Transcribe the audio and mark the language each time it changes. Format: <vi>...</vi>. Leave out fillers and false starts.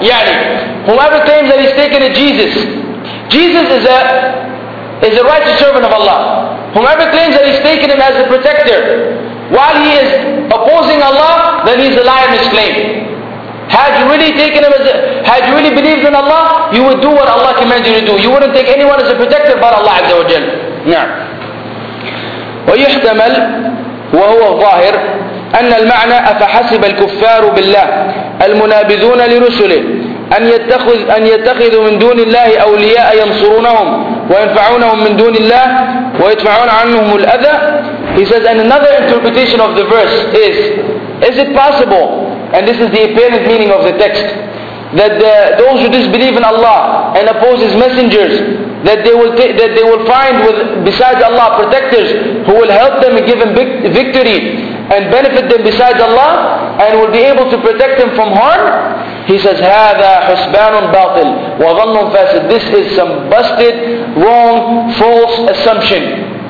<en>Yani, whomever claims that he's taken a Jesus is a righteous servant of Allah. Whomever claims that he's taken him as a protector, while he is opposing Allah, then he's a liar in his claim. Had you really taken him had you really believed in Allah, you would do what Allah commands you to do. You wouldn't take anyone as a protector but Allah Azza wa Jal.</en> <ar>نعم. ويحتمل وهو الظاهر أن المعنى أفحسب الكفار بالله المنابذون لرسله أن يتخذوا من دون الله أولياء ينصرونهم وينفعونهم من دون الله ويدفعون عنهم الأذى.</ar> <en>He says, and another interpretation of the verse is it possible, and this is the apparent meaning of the text, that those who disbelieve in Allah and oppose His messengers, that they will find besides Allah protectors who will help them and give them victory and benefit them besides Allah and will be able to protect them from harm. He says,</en> <ar>هذا حسبان باطل وظن فاسد.</ar> <en>This is some busted, wrong, false assumption.</en>